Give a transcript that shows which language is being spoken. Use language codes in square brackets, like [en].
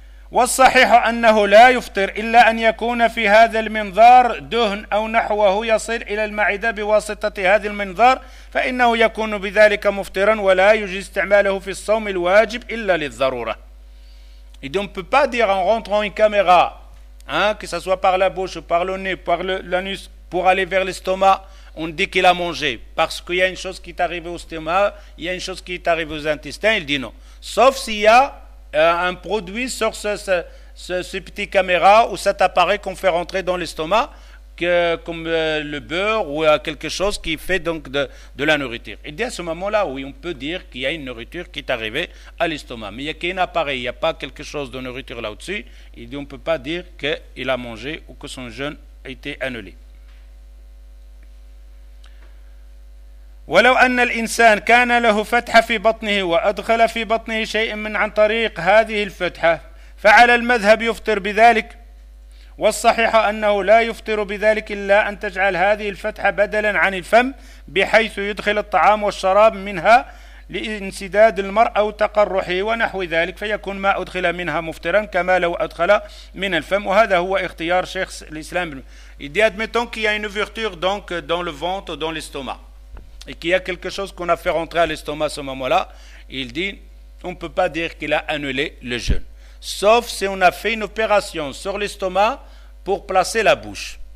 [ar] والصحيح أنه لا يفطر إلا أن يكون في هذا المنظار دهن أو نحوه يصل إلى المعدة بواسطة هذا المنظار فإنه يكون بذلك مفطرا ولا يجوز استعماله في الصوم الواجب إلا للضرورة. [fr] Et on ne peut pas dire en rentrant une caméra, hein, que ce soit par la bouche ou par le nez, par l'anus, pour aller vers l'estomac, on dit qu'il a mangé. Parce qu'il y a une chose qui est arrivée au stomac, il y a une chose qui est arrivée aux intestins, il dit non. Sauf s'il y a un produit sur ce petit caméra ou cet appareil qu'on fait rentrer dans l'estomac, comme le beurre ou quelque chose qui fait donc de la nourriture. Et dès ce moment-là, oui, on peut dire qu'il y a une nourriture qui est arrivée à l'estomac. Mais il n'y a qu'un appareil, il n'y a pas quelque chose de nourriture là-dessus. Et on ne peut pas dire qu'il a mangé ou que son jeûne a été annulé. [ar] ولو أن الإنسان كان له فتحة في بطنه وأدخل في بطنه شيء من عن طريق هذه الفتحة فعلى المذهب يفطر بذلك والصحيح أنه لا يفطر بذلك إلا أن تجعل هذه الفتحة بدلا عن الفم بحيث يدخل الطعام والشراب منها لإنسداد المرء أو تقرحه ونحو ذلك فيكون ما أدخل منها مفطرا كما لو أدخل من الفم وهذا هو اختيار شيخ الإسلام. [fr] Il dit admettons qu'il y a une ouverture donc dans le ventre ou dans l'estomac et qu'il y a quelque chose qu'on a fait rentrer à l'estomac à ce moment-là, il dit, on ne peut pas dire qu'il a annulé le jeûne. Sauf si on a fait une opération sur l'estomac pour placer la bouche.